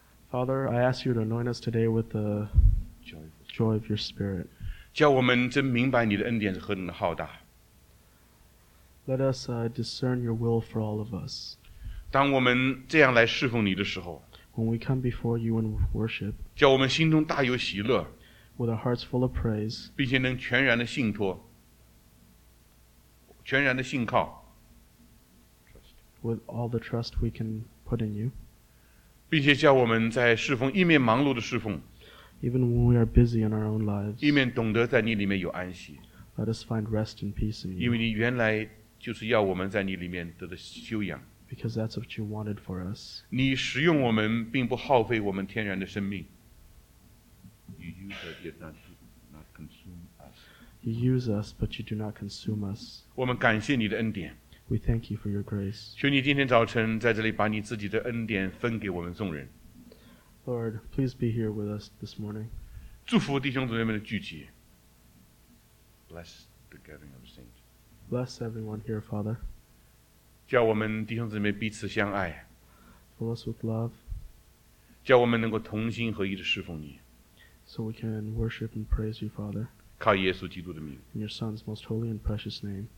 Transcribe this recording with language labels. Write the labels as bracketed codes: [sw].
[en] Father, I ask you to anoint us today with the joy of your Spirit. [zh] 叫我们真明白你的恩典是何等的浩大。 [en] Let us discern your will for all of us. [zh] 当我们这样来侍奉你的时候。 [en] When we come before you in worship. [zh] 叫我们心中大有喜乐。 [en] With our hearts full of praise. [zh] 并且能全然的信托。全然的信靠。 [en] With all the trust we can put in you. [zh] 并且叫我们在侍奉一面忙碌的侍奉 [en] Even when we are busy in our own lives, [zh] 一面懂得在你里面有安息 [en] Let us find rest and peace in you. [zh] 因为你原来就是要我们在你里面得到修养 [en] Because that's what you wanted for us. [zh] 你使用我们并不耗费我们天然的生命 [en] You use us, yet not consume us. You use us, but you do not consume us. [zh] 我们感谢你的恩典 [en] We thank you for your grace. [zh] 求你今天早晨在这里把你自己的恩典分给我们众人。 [en] Lord, please be here with us this morning. [zh] 祝福弟兄姊妹们的聚集。 [en] Bless the gathering of the saints. Bless everyone here, Father. [zh] 叫我们弟兄姊妹彼此相爱。 [en] Fill us with love. [zh] 叫我们能够同心合一地侍奉你。 [en] So we can worship and praise you, Father. [zh] 靠耶稣基督的名。 [en] In your Son's most holy and precious name.